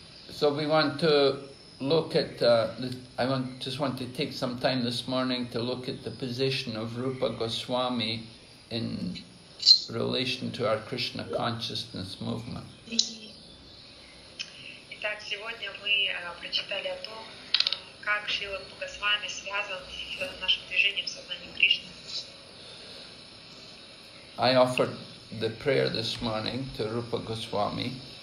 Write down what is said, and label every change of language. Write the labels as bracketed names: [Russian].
[English] So we want to look at, I just want to take some time this morning to look at the position of Rupa Goswami in relation to our Krishna consciousness movement. [Russian] Итак, сегодня мы прочитали о том, как Шрила Рупа Госвами связан с нашим движением сознания Кришны. [English] I offered the prayer this morning to Rupa Goswami.